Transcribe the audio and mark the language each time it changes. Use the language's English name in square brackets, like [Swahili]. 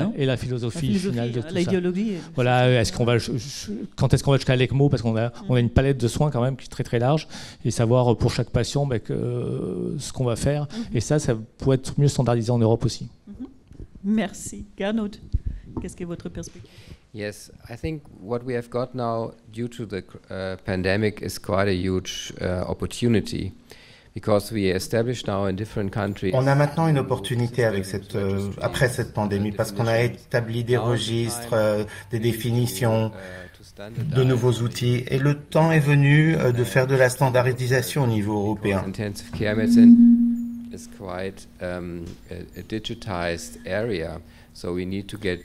[French] hein. Et la philosophie finale de tout l'idéologie. Ça. Voilà, quand est-ce qu'on va jusqu'à l'ECMO, parce qu'on a une palette de soins quand même qui est très très large, et savoir pour chaque patient ce qu'on va faire. Mm-hmm. Et ça pourrait être mieux standardisé en Europe aussi. Mm-hmm. Merci. Gernot, qu'est-ce que votre perspective? [English] Yes, I think what we have got now, due to the pandemic, is quite a huge opportunity. Because we established now in different countries. [French] On a maintenant une opportunité avec après cette pandémie parce qu'on a établi des registres, des définitions, de nouveaux outils. Et le temps est venu de faire de la standardisation au niveau européen. [English] Intensive care medicine is quite a digitized area. So we need to get